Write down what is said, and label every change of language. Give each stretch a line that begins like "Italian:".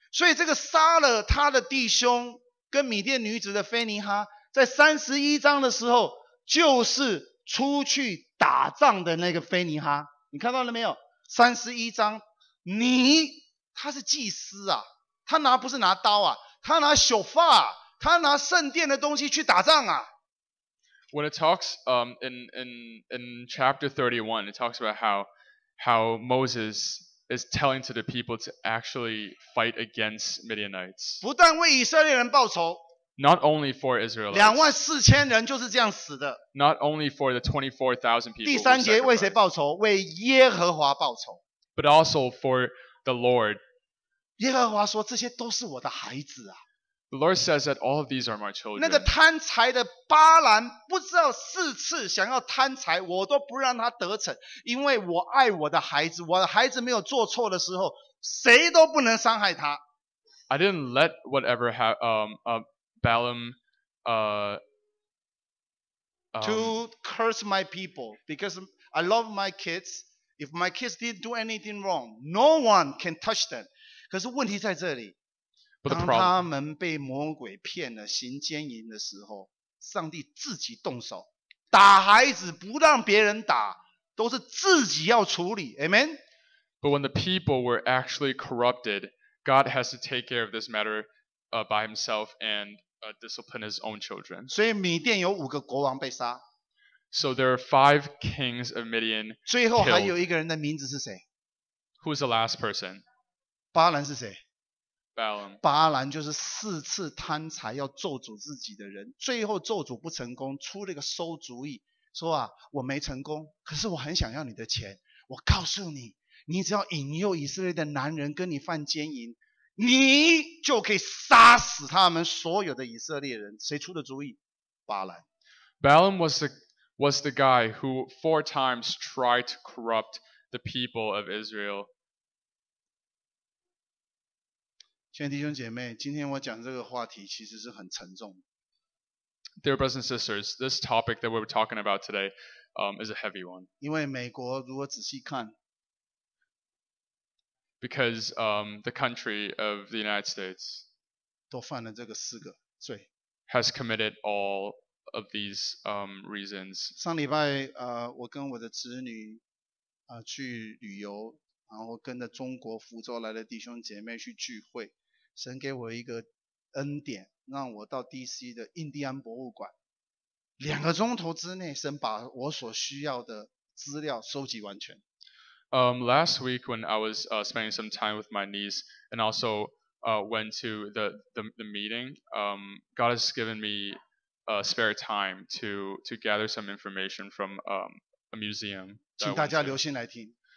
Chinese: 所以这个杀了他的弟兄跟米甸女子的腓尼哈，在三十一章的时候，就是出去打仗的那个腓尼哈，你看到了没有？三十一章，他是祭司啊，他拿不是拿刀啊，他拿秀发，他拿圣殿的东西去打仗啊。
English: When it talks in chapter 31, it talks about how Moses is telling to the people to actually fight against Midianites.
Chinese: 不但为以色列人报仇。
English: Not only for Israelites.
Chinese: 两万四千人就是这样死的。
English: Not only for the 24,000 people.
Chinese: 第三节为谁报仇？为耶和华报仇。
English: But also for the Lord.
Chinese: 耶和华说，这些都是我的孩子啊。
English: The Lord says that all of these are my children.
Chinese: 那个贪财的巴兰不知道四次想要贪财，我都不让他得逞，因为我爱我的孩子，我的孩子没有做错的时候，谁都不能伤害他。
English: I didn't let whatever Balaam to curse my people because I love my kids. If my kids didn't do anything wrong, no one can touch them.
Chinese: 可是问题在这里。
English: But the
Chinese: 当他们被魔鬼骗了行奸淫的时候，上帝自己动手打孩子，不让别人打，都是自己要处理。
English: Amen. But when the people were actually corrupted, God has to take care of this matter by himself and discipline his own children.
Chinese: 所以米甸有五个国王被杀。
English: So there are five kings of Midian.
Chinese: 最后还有一个人的名字是谁？
English: Who's the last person?
Chinese: 巴兰是谁？
English: Balaam.
Chinese: 巴兰就是四次贪财要咒诅自己的人，最后咒诅不成功，出了个馊主意，说啊，我没成功，可是我很想要你的钱，我告诉你，你只要引诱以色列的男人跟你犯奸淫，你就可以杀死他们所有的以色列人。谁出的主意？巴兰。
English: Balaam was the guy who four times tried to corrupt the people of Israel.
Chinese: 亲爱的弟兄姐妹，今天我讲这个话题其实是很沉重。
English: Dear brothers and sisters, this topic that we're talking about today, is a heavy one.
Chinese: 因为美国如果仔细看。
English: Because the country of the United States
Chinese: 都犯了这个四个罪。
English: Has committed all of these reasons.
Chinese: 上礼拜我跟我的子女去旅游，然后跟着中国福州来的弟兄姐妹去聚会，神给我一个恩典，让我到 DC 的印第安博物馆，两个钟头之内，神把我所需要的资料收集完全。
English: Last week when I was spending some time with my niece and also went to the meeting, God has given me spare time to gather some information from a museum.
Chinese: 请大家留心来听。